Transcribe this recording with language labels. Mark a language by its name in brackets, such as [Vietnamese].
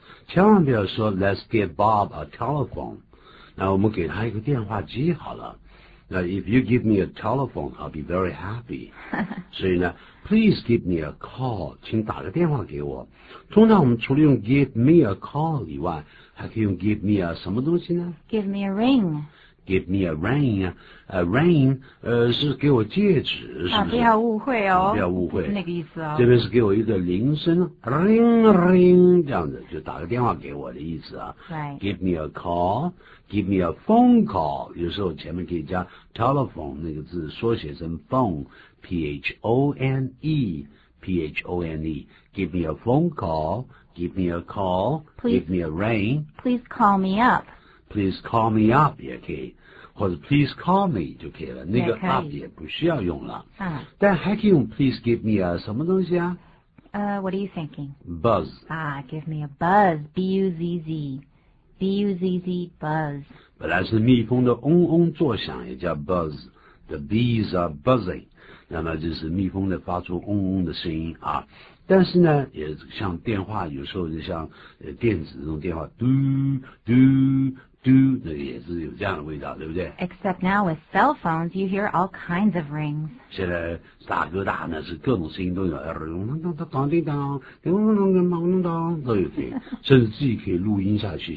[Chinese] 千万不要说 [English] Let's give Bob a telephone. [Chinese] 那我们给他一个电话机好了。 [English] 那 If you give me a telephone, I'll be very happy. 所以呢 Please give me a call. [Chinese] 请打个电话给我。通常我们除了用 [English] give me a call [Chinese] 以外，还可以用 give me a 什么东西呢？ [English] Give me a ring. Give me a ring. A ring, [Chinese] 是给我戒指，是不是？啊，不要误会哦。不要误会。不是那个意思哦。这边是给我一个铃声 ,ring, ring, 这样子，就打个电话给我的意思啊。 [English] Right. Give me a call, give me a phone call. 有时候前面可以加 telephone 那个字缩写成 phone, P-H-O-N-E, P-H-O-N-E. Give me a phone call, give me a call, please, give me a ring. Please call me up. Please call me up [Chinese] 也可以，或者 [English] please call me [Chinese] 就可以了，那个 up 也不需要用了。但还可以用 [English] please give me a [Chinese] 什么东西啊？ [English] What are you thinking? Buzz. Ah, give me a buzz, B-U-Z-Z, B-U-Z-Z, buzz. [Chinese] 本来是蜜蜂的嗡嗡作响，也叫 [English] buzz. The bees are buzzing. [Chinese] 那么就是蜜蜂的发出嗡嗡的声音啊。但是呢，也像电话，有时候就像电子那种电话，嘟嘟嘟，那个也是有这样的味道，对不对 [English] ？Except now with cell phones, you hear all kinds of rings. [Chinese] 现在大哥大呢，是各种声音都有，咚咚咚咚叮当，咚咚咚咚咚咚咚都有听，甚至自己可以录音下去。